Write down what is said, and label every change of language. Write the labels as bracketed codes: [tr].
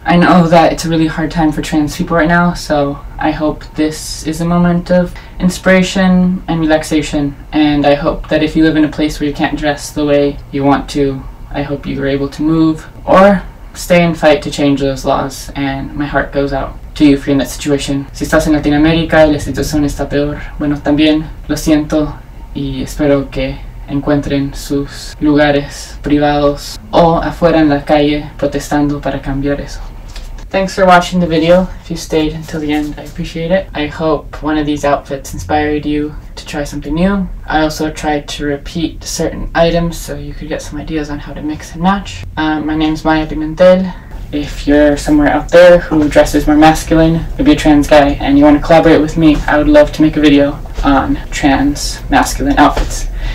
[en] I know that it's a really hard time for trans people right now, so I hope this is a moment of inspiration and relaxation. And I hope that if you live in a place where you can't dress the way you want to, I hope you are able to move or stay and fight to change those laws. And my heart goes out to you if you're in that situation. [es] Si estás en Latinoamérica y la situación está peor, bueno, también lo siento. Y espero que encuentren sus lugares privados o afuera en la calle protestando para cambiar eso. [en] Thanks for watching the video. If you stayed until the end, I appreciate it. I hope one of these outfits inspired you to try something new. I also tried to repeat certain items so you could get some ideas on how to mix and match. My name's Maya Pimentel. If you're somewhere out there who dresses more masculine, maybe a trans guy, and you want to collaborate with me, I would love to make a video on trans masculine outfits.